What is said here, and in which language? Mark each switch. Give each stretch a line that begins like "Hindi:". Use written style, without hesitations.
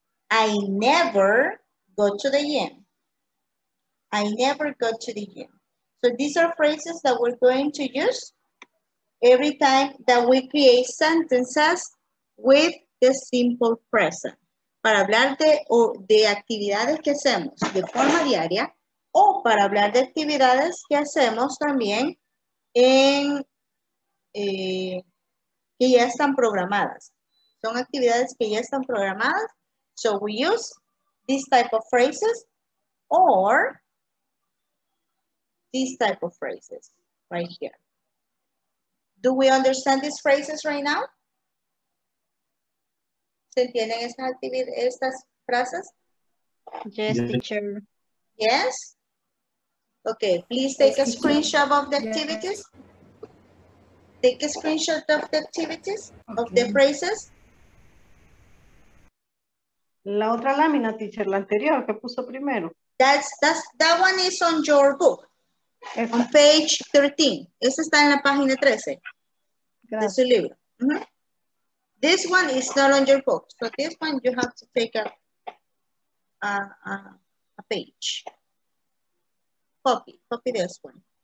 English: I never go to the gym. I never go to the gym. So these are phrases that we're going to use every time that we create sentences with the simple present.
Spanish: Para hablar de actividades que hacemos de forma diaria o para hablar de actividades que hacemos también en que ya están programadas. Son actividades que ya están programadas.
English: So we use this type of phrases or this type of phrases right here. Do we understand these phrases right now?
Spanish: ¿Se entienden estas frases?
English: Yes, teacher. Yes? Okay, please take a screenshot of the activities. Take a screenshot of the activities, okay. Of the phrases.
Spanish: La otra lámina, teacher, la anterior, que puso primero.
English: That one is on your book, on page 13.
Spanish: Esa está en la página 13. Gracias. De su libro. Uh-huh.
English: This one is not on your book. So this one you have to take a page. Copy this one.